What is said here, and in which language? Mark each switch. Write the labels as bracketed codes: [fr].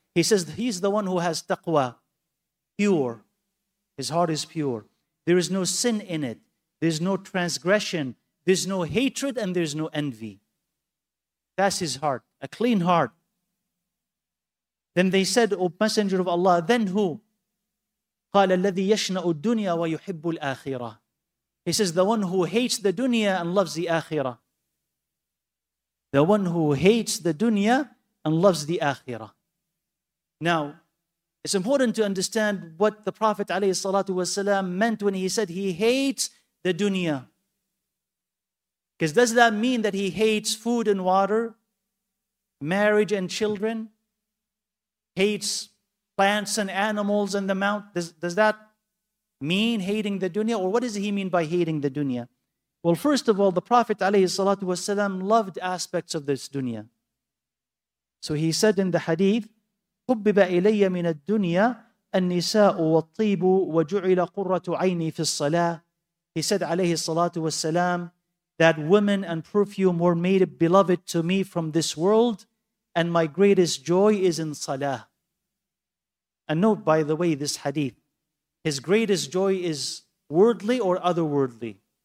[en] He says he's the one who has taqwa, pure. His heart is pure. There is no sin in it. There's no transgression. There's no hatred and there's no envy. That's his heart, a clean heart. Then they said, O Messenger of Allah, then who? [ar] قال الذي يشنع الدنيا ويحب الآخرة. [en] He says, the one who hates the dunya and loves the akhirah. The one who hates the dunya and loves the akhirah. Now, it's important to understand what the Prophet alayhi salatu wasalam meant when he said he hates the dunya. Because does that mean that he hates food and water, marriage and children, hates plants and animals and the mount? Does that mean hating the dunya? Or what does he mean by hating the dunya? Well, first of all, the Prophet alayhi salatu wasalam loved aspects of this dunya. So he said in the hadith, [ar] حُبِّبَ إِلَيَّ مِنَ الدُّنْيَا النِّسَاءُ وَالطِّيبُ وَجُعِلَ قُرَّةُ عَيْنِي فِي الصَّلَاةِ. [en] He said, alayhi salatu wasalam, that women and perfume were made beloved to me from this world, and my greatest joy is in salah. And note, by the way, this hadith, his greatest joy is worldly or otherworldly?